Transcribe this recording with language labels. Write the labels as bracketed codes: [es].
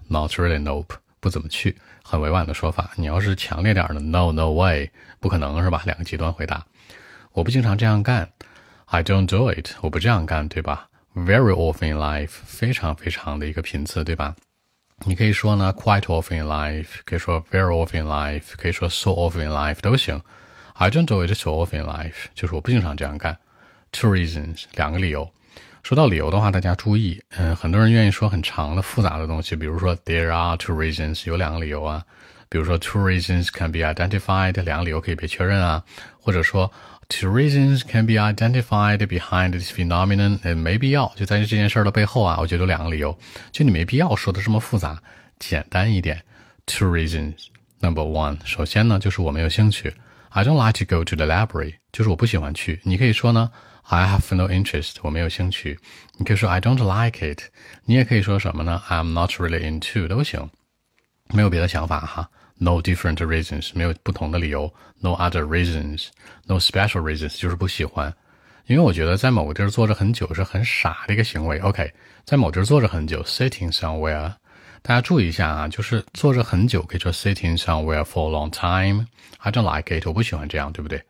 [en] Not really, nope, [zh] 不怎么去，很委婉的说法。你要是强烈点的 [en] No, no way, [zh] 不可能是吧，两个极端回答。我不经常这样干， [en] I don't do it, [zh] 我不这样干，对吧？ [en] Very often in life, [zh] 非常非常的一个频次，对吧？你可以说呢 [en] quite often in life, 可以说 very often in life, 可以说 so often in life, [zh] 都行。 [en] I don't do it so often in life, [zh] 就是我不经常这样干。 Two reasons, 两个理由。说到理由的话，大家注意，很多人愿意说很长的复杂的东西，比如说 [en] there are two reasons, [zh] 有两个理由啊。比如说 [en] two reasons can be identified, [zh] 两个理由可以被确认啊。或者说 [en] two reasons can be identified behind this phenomenon, [zh] 没必要，就在这件事的背后啊，我觉得有两个理由。就你没必要说的这么复杂，简单一点。 [en] Two reasons. [zh] Number one, 首先呢就是我没有兴趣。 [en] I don't like to go to the library, [zh] 就是我不喜欢去。你可以说呢 [en] I have no interest, [zh] 我没有兴趣。你可以说 [en] I don't like it, [zh] 你也可以说什么呢 [en] I'm not really into, [zh] 都行。没有别的想法哈， [en] No different reasons, [zh] 没有不同的理由， [en] No other reasons, No special reasons, [zh] 就是不喜欢。因为我觉得在某个地儿坐着很久是很傻的一个行为。OK, 在某地儿坐着很久， sitting somewhere, 大家注意一下啊，就是坐着很久可以说 [en] sitting somewhere for a long time, I don't like it, [zh] 我不喜欢这样，对不对？